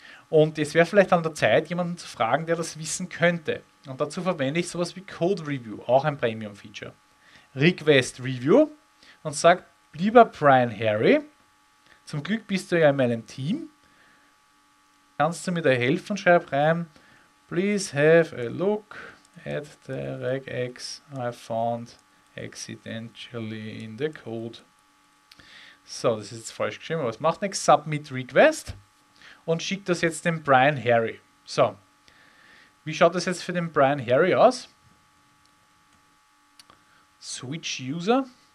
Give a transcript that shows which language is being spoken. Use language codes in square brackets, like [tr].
[de] Und es wäre vielleicht an der Zeit, jemanden zu fragen, der das wissen könnte. Und dazu verwende ich sowas wie Code Review, auch ein Premium-Feature. Request Review und sage, lieber Brian Harry, zum Glück bist du ja in meinem Team. Kannst du mir da helfen? Schreib rein, [en] please have a look at the regex I found accidentally in the code. [de] So, das ist jetzt falsch geschrieben, aber es macht nichts. Submit Request und schickt das jetzt dem Brian Harry. So, wie schaut das jetzt für den Brian Harry aus? [en] Switch User.